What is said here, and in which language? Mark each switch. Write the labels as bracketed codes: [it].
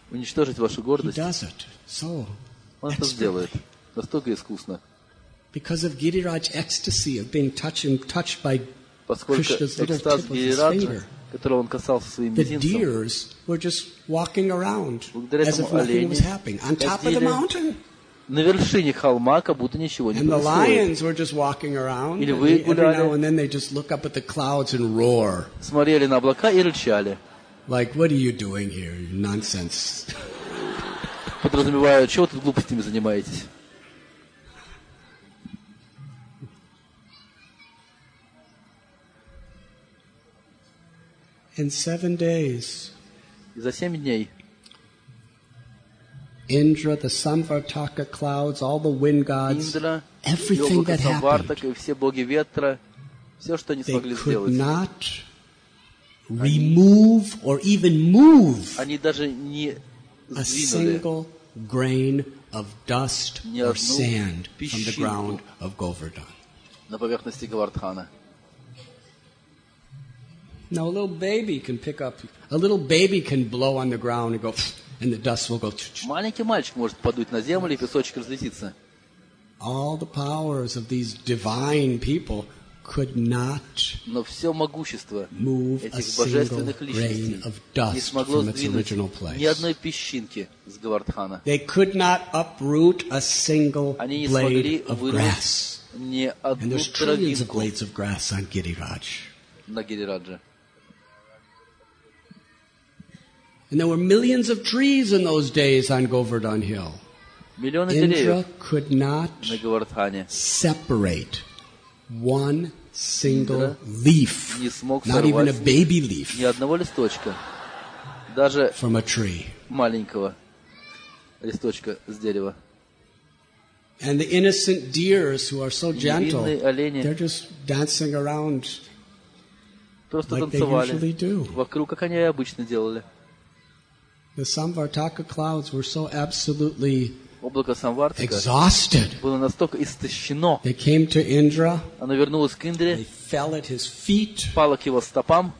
[ru] уничтожить вашу гордость, [en] he does it. So, [ru] он это сделает настолько искусно. [en] Because of Гирирадж's ecstasy of being touched by Krishna's little tip of his finger, [ru] которого он касался своим мизинцем, [en] the deers were just walking around as if nothing was happening on top of the mountain. [ru] На вершине холма, как будто ничего не происходит. Или вы гуляли, смотрели на облака и рычали. [en] Like, what are you doing here? Nonsense. [ru] Подразумеваю, чего вы тут глупостями занимаетесь? И за 7 дней [en] Indra, the Samvartaka clouds, all the wind gods, Indra, everything that happened, [ru] все боги ветра, все, что они [en] they [ru] смогли [en] could [ru] сделать, [en] not remove or even move [ru] они даже не [en] a single grain of dust or sand from the ground of Govardhan. [ru] На поверхности Говардхана. [en] Now a little baby can pick up, a little baby can blow on the ground and go... And the dust will go. [ru] Маленький мальчик может подуть на землю, и песочек разлетится. [en] All the powers of these divine people could not move a single grain of dust from its original place. [ru] Ни одной песчинки с Говардхана. [en] They could not uproot a single blade of grass. [ru] Ни одну [en] And there's trillions of blades of grass on Гирирадж. [ru] На Гирирадже. [en] And there were millions of trees in those days on Govardhan Hill. [ru] Миллионы [en] Indra could not separate one single Indra leaf, not even a baby leaf, [ru] ни одного листочка, даже [en] from a tree. [ru] Маленького листочка с дерева. [en] And the innocent deers, who are so gentle, they're just dancing around [ru] просто [en] like [ru] танцевали [en] they usually do. [ru] Вокруг, как они обычно делали. [en] The Samvartaka clouds were so absolutely [ru] Облако Самвартака [en] exhausted. [ru] Было настолько истощено. [en] They came to Indra. [ru] Оно вернулось к Индре. [en] They fell at his feet. [ru] Пало к его стопам.